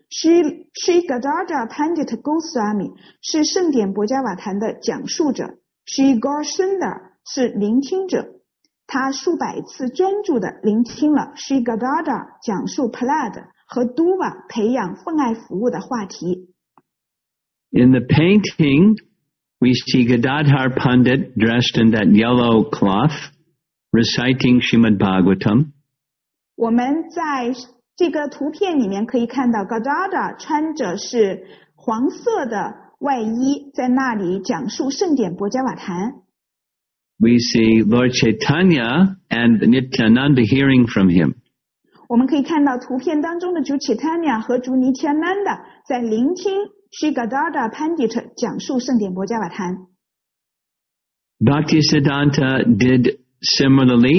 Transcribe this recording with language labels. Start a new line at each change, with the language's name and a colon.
Chinese: Sri Gadadhar Pandit Goswami 是圣典博迦瓦坛的讲述者， Sri Gaurasundar 是聆听者，他数百次专注地聆听了 Sri Gadadhar 讲述 Pallad 和 Dhruva 培养奉爱服务的话题。
English: In the painting we see Gadadhar Pandit dressed in that yellow cloth reciting Srimad Bhagavatam.
Chinese: 我们在这个图片里面可以看到 Gadadhar 穿着是黄色的外衣在那里讲述圣典博迦瓦坛。
English: We see Lord Chaitanya and Nityananda hearing from him.
Chinese: 我们可以看到图片当中的主 Chaitanya 和主 Nityananda 在聆听 Sri Gadadhar Pandit 讲述圣典博迦瓦坛。
English: Bhakti Siddhanta did similarly.